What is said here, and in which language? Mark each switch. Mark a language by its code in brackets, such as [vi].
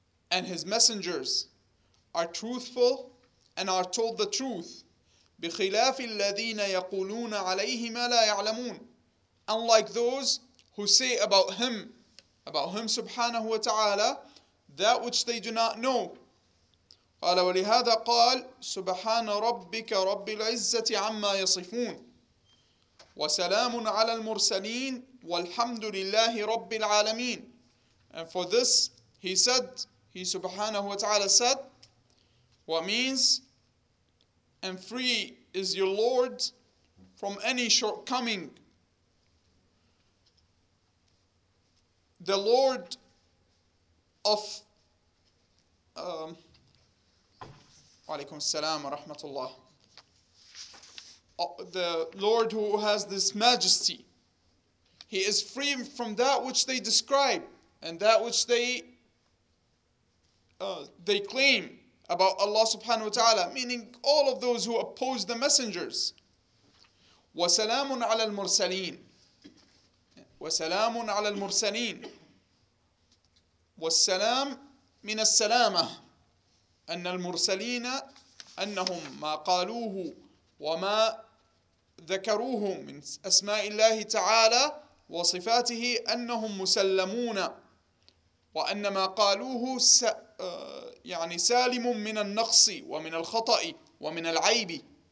[en] And his messengers are truthful and are told the truth. [ar] بخلاف الذين يقولون عليه ما لا يعلمون. [en] Unlike those who say about him سبحانه وتعالى, that which they do not know. [ar] قال ولهذا قال سبحان ربك رب العزة عما يصفون. وسلام على المرسلين والحمد لله رب العالمين. [en] And for this, he subhanahu wa ta'ala said, what means, and free is your Lord from any shortcoming. The Lord of, alaykum assalam wa rahmatullah. The Lord who has this majesty, he is free from that which they describe and that which they claim about Allah subhanahu wa ta'ala, meaning all of those who oppose the messengers. [ar] وَسَلَامٌ عَلَى الْمُرْسَلِينَ وَسَلَامٌ عَلَى الْمُرْسَلِينَ وَالسَّلَامُ مِنَ السَّلَامَةِ أَنَّ الْمُرْسَلِينَ أَنَّهُمْ مَا قَالُوهُ وَمَا ذكروه من أسماء الله تعالى وصفاته أنهم مسلمون وأن ما قالوه يعني سالم من النقص ومن الخطأ ومن العيب.